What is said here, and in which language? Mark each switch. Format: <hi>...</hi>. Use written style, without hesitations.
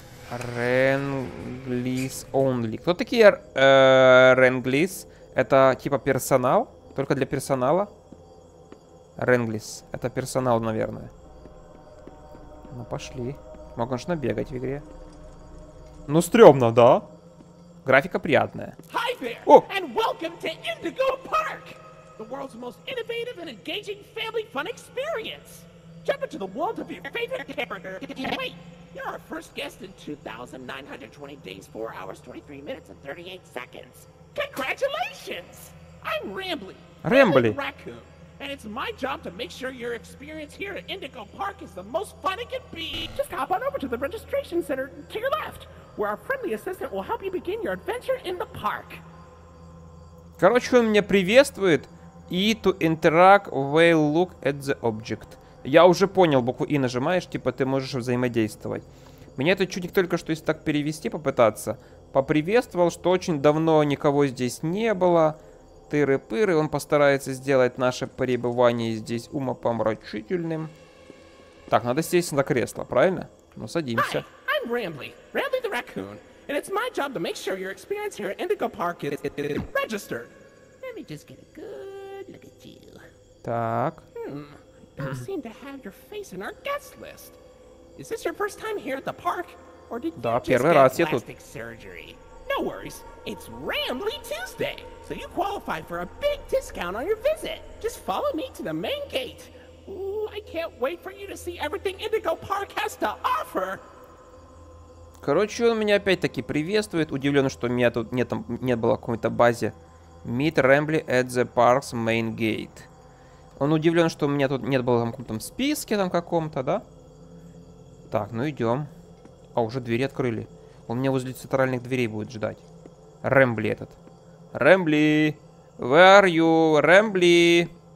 <en>Ренглис only.</en> <ru>Кто такие Ренглис? Это типа персонал? Только для персонала? Ренглис. Это персонал, наверное. Ну, пошли. Могу, конечно, бегать в игре. Ну, стрёмно, да? Графика приятная.</ru> <en>Hi there, and welcome to Indigo Park, the world's most innovative and engaging family fun experience. Jump into the world of your favorite character. Wait, You're our first guest in 2920 days, 4 hours, 23 minutes, and 38 seconds. Congratulations! I'm Rambly. Rambly. Raccoon. And it's my job to make sure your experience here at Indigo Park is the most fun it can be. Just hop on over to the registration center to your left, where our friendly assistant will help you begin your adventure in the park.</en> <ru>Короче, он меня приветствует.</ru> <en>E to interact, we'll look at the object.</en> <ru>Я уже понял, букву И нажимаешь, типа ты можешь взаимодействовать. Меня этот чудик только что, если так перевести, попытаться, поприветствовал, что очень давно никого здесь не было. Тыры-пыры, он постарается сделать наше пребывание здесь умопомрачительным. Так, надо сесть на кресло, правильно? Ну, садимся.</ru> <en>Hi, I'm Rambly, Rambly the Raccoon, and it's my job to make sure your experience here at Indigo Park is registered. Let me just get a good look at you.</en> <ru>Так.</ru> <en>You seem to have your face in our guest list. Is this your first time here at the park, or did</en> <ru>да,</ru> <en>you just</en> <ru>раз,</ru> <en>get plastic surgery? No worries, it's Rambly Tuesday, so you qualify for a big discount on your visit. Just follow me to the main gate. Ooh, I can't wait for you to see everything Indigo Park has to offer.</en> <ru>Короче, он меня опять-таки приветствует. Удивлен, что у меня тут нет, там не было какой-то базе.</ru> <en>Meet Rambly at the park's main gate.</en> <ru>Он удивлен, что у меня тут нет было там каком-то списке там каком-то, да? Так, ну идем. А, уже двери открыли. Он меня возле центральных дверей будет ждать. Рэмбли этот. Рэмбли!</ru> <en>Where are you, Рэмбли?</en>